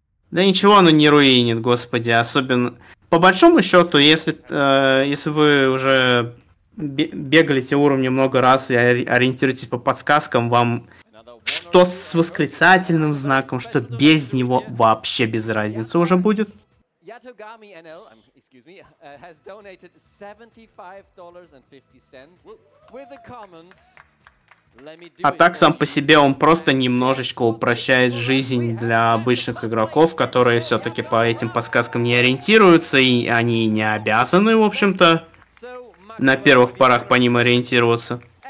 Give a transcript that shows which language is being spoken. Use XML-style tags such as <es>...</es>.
<ru>Да ничего, оно не руинит, господи. Особенно... По большому счету, если, если вы уже бегали эти уровни много раз и ориентируетесь по подсказкам, вам что с восклицательным знаком, что без него вообще без разницы уже будет.</ru> <en>Yatogami NL, excuse me, has donated $75.50 with a comment...</en> <ru>А так сам по себе он просто немножечко упрощает жизнь для обычных игроков, которые все-таки по этим подсказкам не ориентируются, и они не обязаны, в общем-то, на первых порах по ним ориентироваться.</ru>